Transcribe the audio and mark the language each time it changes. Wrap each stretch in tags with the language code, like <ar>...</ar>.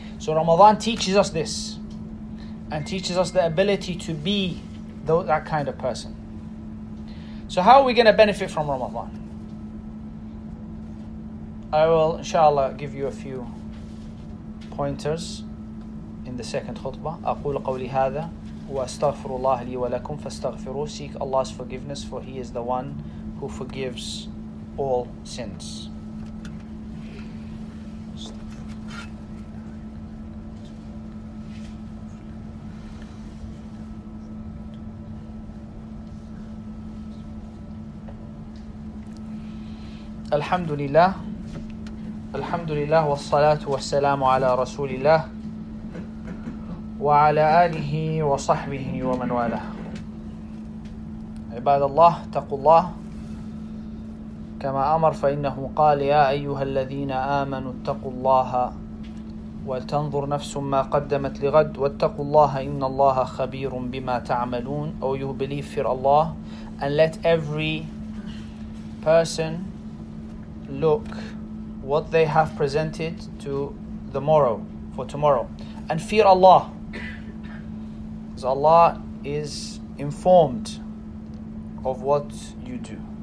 <en>So Ramadan teaches us this, and teaches us the ability to be that kind of person. So how are we going to benefit from Ramadan? I will, inshallah, give you a few pointers in the second khutbah.</en> <ar>أقول قولي هذا وأستغفر الله لي ولكم فاستغفروا.</ar> <en>Seek Allah's forgiveness, for He is the one who forgives all sins.</en> <ar>الحمد لله الحمد لله والصلاة والسلام على رسول الله وعلى آله وصحبه ومن والاه. عباد الله تقوا الله كما أمر فإنه قال يا أيها الذين آمنوا اتقوا الله ولتنظر نفس ما قدمت لغد واتقوا الله إن الله خبير بما تعملون. أو</ar> <en>you believe, fear Allah, and let every person look what they have presented to the morrow, for tomorrow. And fear Allah, because Allah is informed of what you do.</en>